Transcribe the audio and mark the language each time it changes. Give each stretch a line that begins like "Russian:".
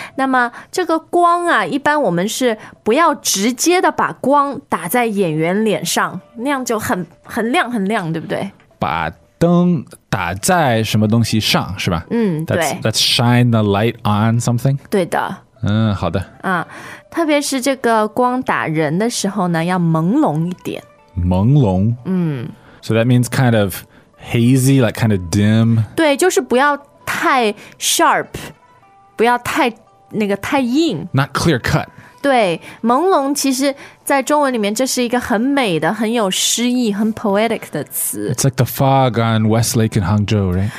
Chinese: 那么这个光啊，一般我们是不要直接的把光打在演员脸上，那样就很亮很亮，对不对？把灯打在什么东西上是吧？嗯，对。
English: That's shine the light on something。
Chinese: 对的。嗯，好的。啊，特别是这个光打人的时候呢，要朦胧一点。朦胧。嗯。
English: So that means kind of hazy, like kind of dim.
Chinese: 对，就是不要太 sharp, 不要太那个太硬。
English: Not clear cut.
Chinese: 对，朦胧其实在中文里面这是一个很美的，很有诗意，很 poetic 的词。
English: It's like the fog on Westlake in Hangzhou, right?